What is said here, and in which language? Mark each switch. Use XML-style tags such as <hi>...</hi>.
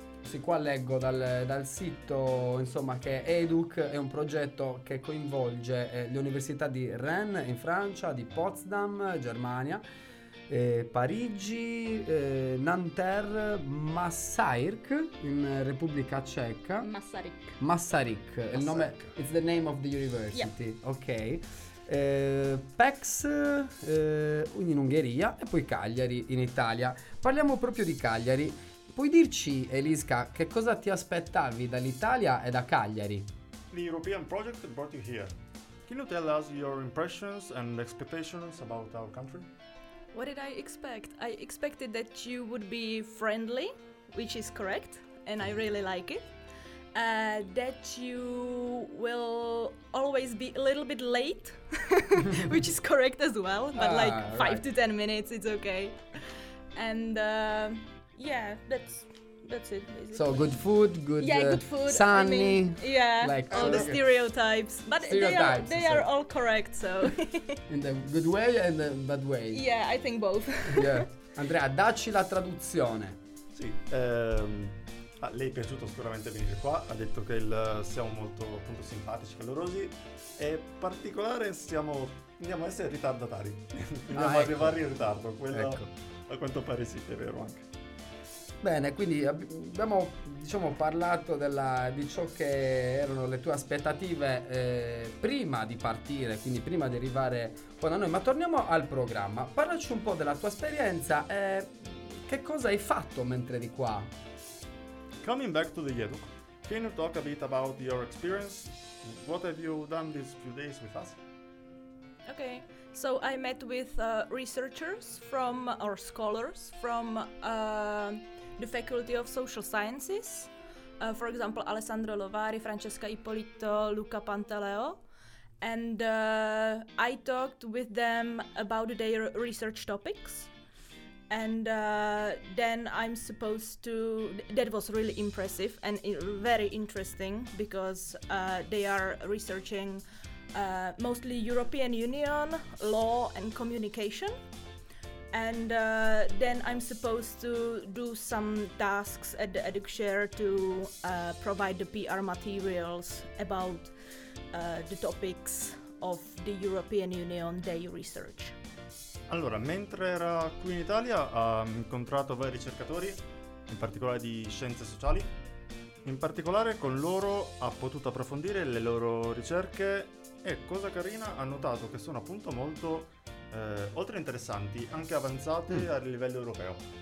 <it>Sì, qua leggo dal sito, insomma, che EDUC è un progetto che coinvolge le università di Rennes in Francia, di Potsdam, Germania, Parigi, Nanterre, Masaryk in Repubblica Ceca. Masaryk. Il nome,</it> <en>it's the name of the university. Yeah. Ok.</en> <it>PEX in Ungheria e poi Cagliari in Italia. Parliamo proprio di Cagliari. Puoi dirci, Eliska, che cosa ti aspettavi dall'Italia e da Cagliari?</it> <en>The European project brought you here. Can you tell us your impressions and expectations about our country? What did I expect? I expected that you would be friendly, which is correct, and I really like it. That you will always be a little bit late, which is correct as well, but like right. 5 to 10 minutes, it's okay. And that's it. Basically. So good food, good sunny. I mean, yeah, like all the stereotypes, but they are all correct. So in the good way and the bad way. Yeah, I think both.</en> <it>Yeah, Andrea, dacci la traduzione. Sì, a lei è piaciuto sicuramente venire qua, ha detto che siamo molto appunto simpatici, calorosi e particolare andiamo a essere ritardatari, arrivare in ritardo, quello ecco. A quanto pare sì, è vero anche. Bene, quindi abbiamo parlato di ciò che erano le tue aspettative prima di partire, quindi prima di arrivare qua da noi, ma torniamo al programma, parlaci un po' della tua esperienza e che cosa hai fatto mentre eri qua?</it> <en>Coming back to the EDUC, can you talk a bit about your experience? What have you done these few days with us? Okay, so I met with researchers from, or scholars from the Faculty of Social Sciences. For example, Alessandro Lovari, Francesca Ippolito, Luca Pantaleo. And I talked with them about their research topics. And then I'm supposed to, that was really impressive and very interesting because they are researching mostly European Union, law and communication. And then I'm supposed to do some tasks at the EDUC Share to provide the PR materials about the topics of the European Union Day research.</en> <it>Allora, mentre era qui in Italia ha incontrato vari ricercatori, in particolare di scienze sociali. In particolare con loro ha potuto approfondire le loro ricerche e, cosa carina, ha notato che sono appunto molto, oltre interessanti, anche avanzate a livello europeo.</it>